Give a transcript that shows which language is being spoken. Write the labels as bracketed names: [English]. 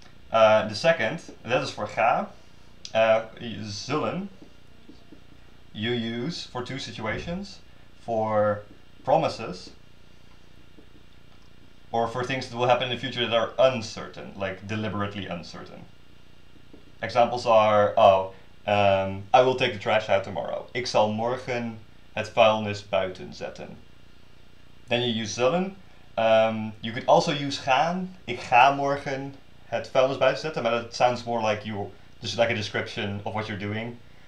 [English] The second, that is for ga, zullen, you use for two situations, for promises, or for things that will happen in the future that are uncertain, like deliberately uncertain. Examples are, I will take the trash out tomorrow. [Dutch] Ik zal morgen het vuilnis buiten zetten. [English] Then you use zullen. You could also use gaan. [Dutch] Ik ga morgen het vuilnis buiten zetten. [English] But it sounds more like you, just like a description of what you're doing.